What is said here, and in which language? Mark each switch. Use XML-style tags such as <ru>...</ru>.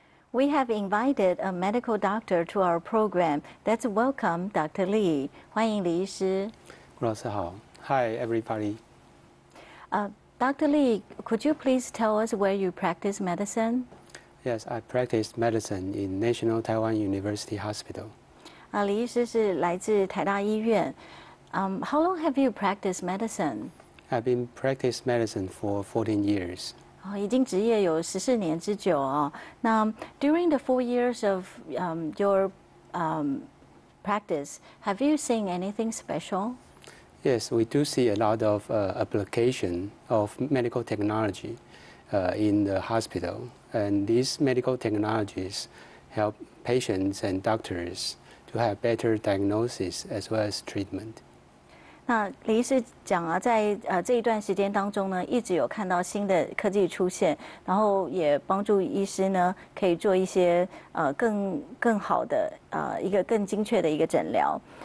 <en>We have invited a medical doctor to our program. Let's welcome Dr. Li.</en> <zh>欢迎李医师。吴老师好。</zh> <en>Hi, everybody. Dr. Li, could you please tell us where you practice medicine? Yes, I practice medicine in National Taiwan University Hospital.</en> <zh>李医师是来自台大医院。</zh> <en>How long have you practiced medicine? I've been practicing medicine for 14 years.</en> <zh>已经执业有14年之久哦。</zh> <en>那 during the 4 years of your practice, have you seen anything special? Yes, we do see a lot of application of medical technology in the hospital. And these medical technologies help patients and doctors to have better diagnosis as well as treatment.</en> <zh>那李医师讲啊，在这一段时间当中呢，一直有看到新的科技出现，然后也帮助医师呢，可以做一些更好的一个更精确的一个诊疗。</zh>